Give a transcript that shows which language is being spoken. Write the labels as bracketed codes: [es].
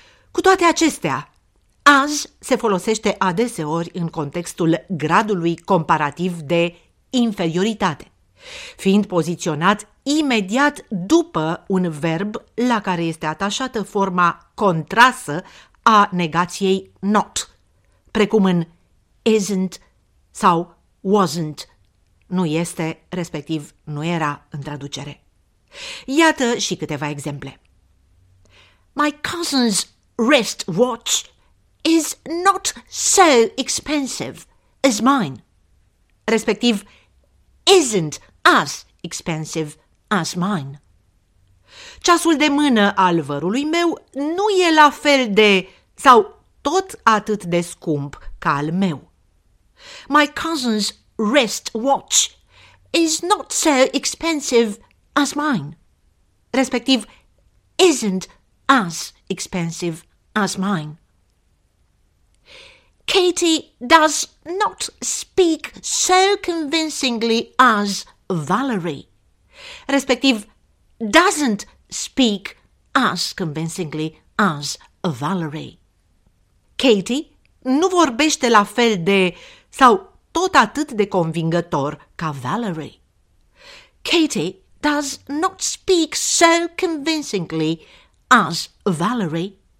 [ro] Cu toate acestea, as se folosește adeseori în contextul gradului comparativ de inferioritate, fiind poziționat imediat după un verb la care este atașată forma contrasă a negației not, precum în isn't sau wasn't, nu este, respectiv nu era în traducere. Iată și câteva exemple. [en] My cousin's wristwatch is not so expensive as mine. [ro] Respectiv, [en] isn't as expensive as mine. [ro] Ceasul de mână al vărului meu nu e la fel de sau tot atât de scump ca al meu. [en] My cousin's wristwatch is not so expensive as mine. [ro] Respectiv, [en] isn't as expensive as mine. Katie does not speak so convincingly as Valerie. [ro] Respectiv, [en] doesn't speak as convincingly as Valerie. [ro] Katie nu vorbește la fel de sau tot atât de convingător ca Valerie. [en] Katie does not speak so convincingly as Valerie.